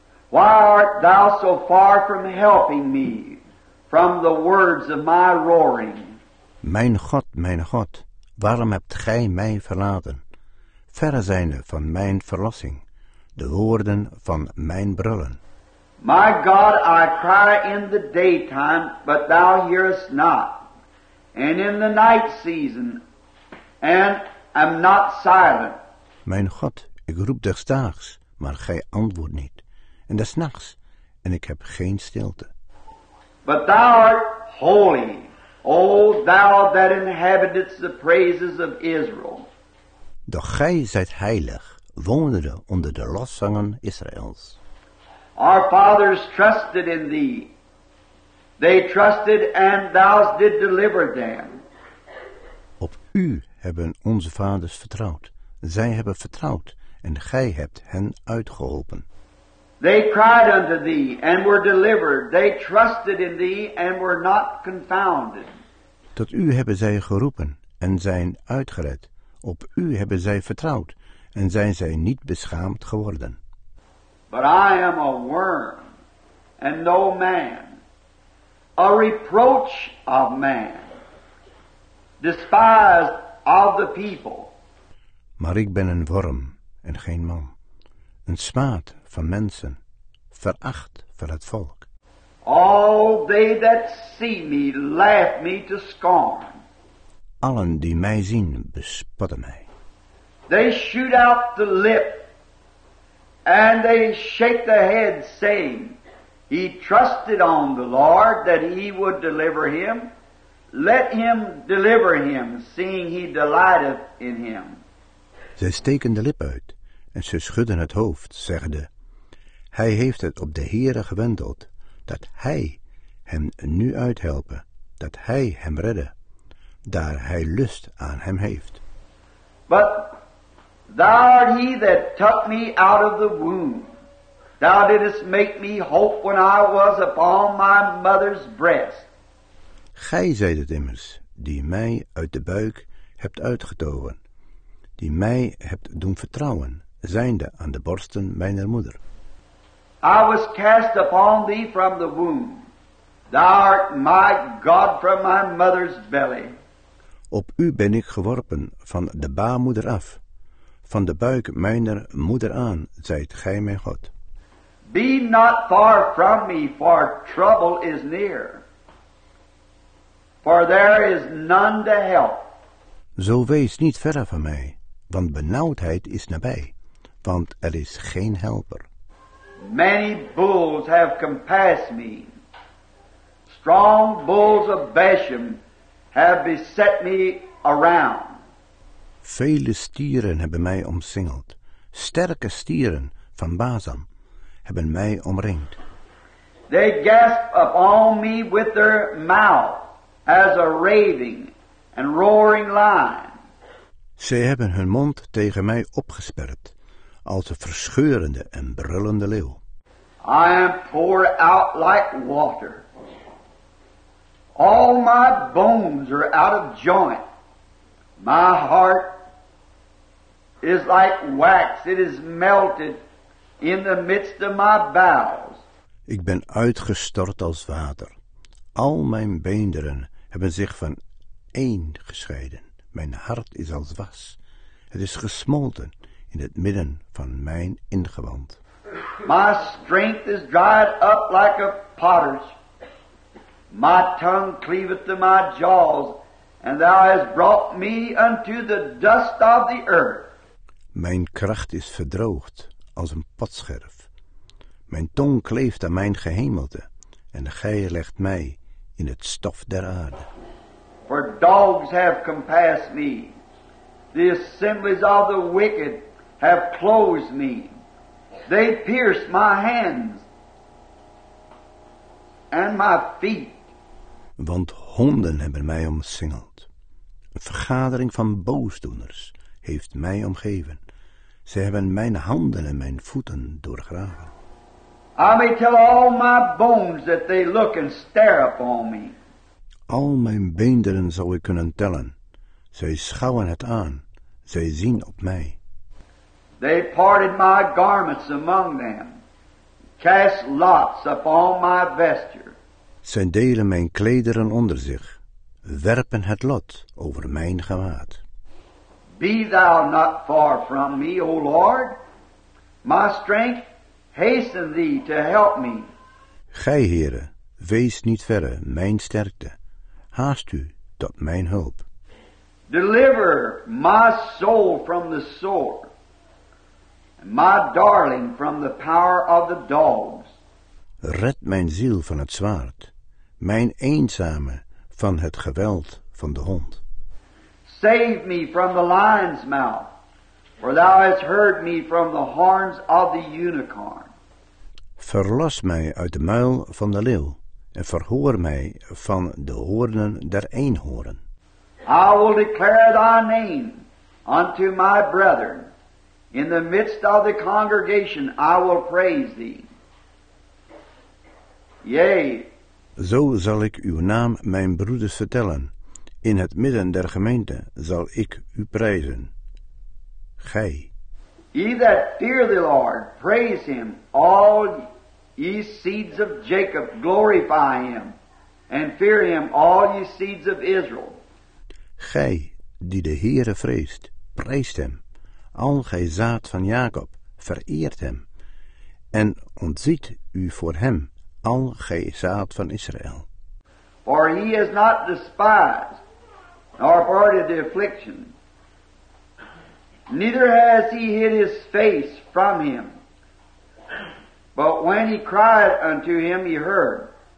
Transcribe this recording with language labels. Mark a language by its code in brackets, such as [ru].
[en] Why art thou so far from helping me from the words of my roaring? [nl] Mijn God, waarom hebt gij mij verlaten? Verre zijnde van mijn verlossing, de woorden van mijn brullen. [en] My God, I cry in the daytime, but thou hearest not, and in the night season, and am not silent. [nl] Mijn God, ik roep des daags, maar gij antwoordt niet, en des nachts, en ik heb geen stilte. [en] But thou art holy, O thou that inhabitest the praises of Israel. [nl] Doch gij zijt heilig, woonde onder de lofzangen Israëls. [en] Our fathers trusted in thee. They trusted and thou did deliver them. [nl] Op u hebben onze vaders vertrouwd. Zij hebben vertrouwd en gij hebt hen uitgeholpen. [en] They cried unto thee and were delivered. They trusted in thee and were not confounded. [nl] Tot u hebben zij geroepen en zijn uitgered. Op u hebben zij vertrouwd en zijn zij niet beschaamd geworden. [en] But I am a worm and no man, a reproach of man, despised of the people. [nl] Maar ik ben een worm en geen man, een smaad van mensen, veracht van het volk. [en] All they that see me laugh me to scorn. [nl] Allen die mij zien bespotten mij. [en] They shoot out the lip. And they shake their heads, saying, He trusted on the Lord that he would deliver him. Let him deliver him, seeing he delighteth in him. [nl] Zij steken de lip uit en ze schudden het hoofd, zeggende, Hij heeft het op de Heere gewendeld, dat hij hem nu uithelpen, dat hij hem redde, daar hij lust aan hem heeft. [en] But Thou art he that took me out of the womb. Thou didst make me hope when I was upon my mother's breast. [nl] Gij zijt het immers, die mij uit de buik hebt uitgetoven, die mij hebt doen vertrouwen, zijnde aan de borsten mijner moeder. [en] I was cast upon thee from the womb. Thou art my God from my mother's belly. [nl] Op u ben ik geworpen van de baarmoeder af. Van de buik mijner moeder aan, zijt gij mijn God. [en] Be not far from me, for trouble is near. For there is none to help. [nl] Zo wees niet verre van mij, want benauwdheid is nabij, want er is geen helper. [en] Many bulls have compassed me. Strong bulls of Bashan have beset me around. [nl] Vele stieren hebben mij omsingeld. Sterke stieren van Bazan hebben mij omringd. [en] They gasp upon me with their mouth as a raving and roaring lion. [nl] Ze hebben hun mond tegen mij opgesperd als een verscheurende en brullende leeuw. [en] I am poured out like water. All my bones are out of joint. My heart is like wax, it is melted in the midst of my bowels. [nl] Ik ben uitgestort als water. Al mijn beenderen hebben zich van één gescheiden. Mijn hart is als was. Het is gesmolten in het midden van mijn ingewand. [en] My strength is dried up like a potter's. My tongue cleaveth to my jaws, and thou hast brought me unto the dust of the earth. [nl] Mijn kracht is verdroogd als een potscherf. Mijn tong kleeft aan mijn gehemelte en gij legt mij in het stof der aarde. [en] For dogs have compassed me. The assemblies of the wicked have closed me. They pierced my hands and my feet. [nl] Want honden hebben mij omsingeld. Een vergadering van boosdoeners heeft mij omgeven. Ze hebben mijn handen en mijn voeten doorgraven. [en] I may tell all my bones that they look and stare upon me. [nl] Al mijn beenderen zou ik kunnen tellen. Zij schouwen het aan. Zij zien op mij. [en] They parted my garments among them, cast lots upon my vesture. [nl] Zij delen mijn klederen onder zich, werpen het lot over mijn gewaad. [en] Be thou not far from me, O Lord. My strength, hasten thee to help me. [nl] Gij, Heere, wees niet verre mijn sterkte. Haast u tot mijn hulp. [en] Deliver my soul from the sword, and my darling from the power of the dogs. [nl] Red mijn ziel van het zwaard, mijn eenzame van het geweld van de hond. [en] Save me from the lion's mouth, for thou hast heard me from the horns of the unicorn. [nl] Verlos mij uit de muil van de leeuw, en verhoor mij van de hoornen der eenhoorn. [en] I will declare thy name unto my brethren. In the midst of the congregation I will praise thee. Yea. [nl] Zo zal ik uw naam mijn broeders vertellen. In het midden der gemeente zal ik u prijzen. Gij. [en] Ye that fear the Lord, praise him. All ye seeds of Jacob, glorify him. And fear him, all ye seeds of Israel. [nl] Gij, die de Heere vreest, prijst hem. Al gij zaad van Jacob, vereert hem. En ontziet u voor hem, al gij zaad van Israël. [en] For he is not despised, nor parted the affliction. Neither has he hid his face from him. But when he cried unto him, he heard.